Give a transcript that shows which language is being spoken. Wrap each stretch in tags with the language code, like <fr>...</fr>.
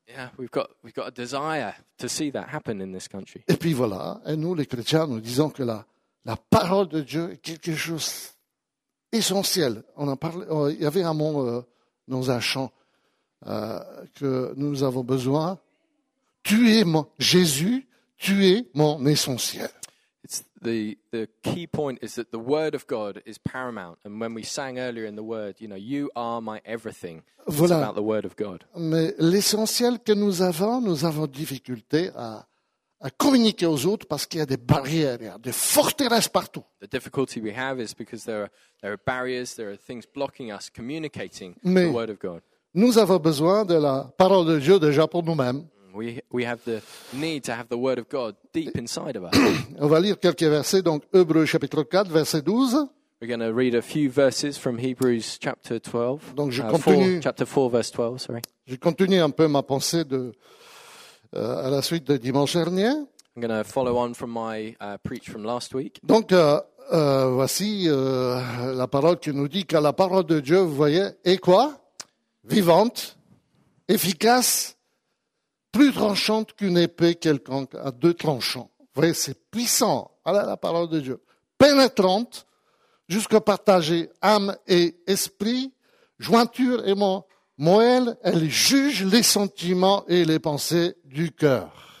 <en>Yeah, we've got a desire to see that happen in this country.</en> <fr>Et puis voilà, et nous les chrétiens, nous disons que la parole de Dieu est quelque chose d'essentiel. On en parlait, il y avait un mot dans un chant que nous avons besoin. Tu es mon Jésus, tu es mon essentiel.</fr> <en>It's the key point is that the word of God is paramount. And when we sang earlier in the word, you know, you are my everything.</en> <fr>Voilà.</fr> <en>It's about the word of God.</en> <fr>Mais l'essentiel que nous avons difficulté à communiquer aux autres parce qu'il y a des barrières, il y a des forteresses partout.</fr> <en>The difficulty we have is because there are barriers, there are things blocking us communicating</en> <fr>Mais</fr> <en>the word of God.</en> <fr>Nous avons besoin de la parole de Dieu déjà pour nous-mêmes.</fr> <en>We have the need to have the word of God deep inside of us.</en> <fr>On va lire quelques versets, donc Hébreux chapitre 4, verset 12.</fr> <en>We're going to read a few verses from Hebrews chapter 12.</en> <fr>Donc je continue.</fr> <en>Chapter 4, verse 12, sorry.</en> <fr>Je continue un peu ma pensée à la suite de dimanche dernier.</fr> <en>I'm going to follow on from my preach from last week.</en> <fr>Donc voici la parole qui nous dit que la parole de Dieu, vous voyez, est quoi? Vivante, efficace, plus tranchante qu'une épée quelconque à deux tranchants. Vous voyez, c'est puissant. Voilà la parole de Dieu. Pénétrante, jusqu'à partager âme et esprit, jointure et moelle, elle juge les sentiments et les pensées du cœur.</fr>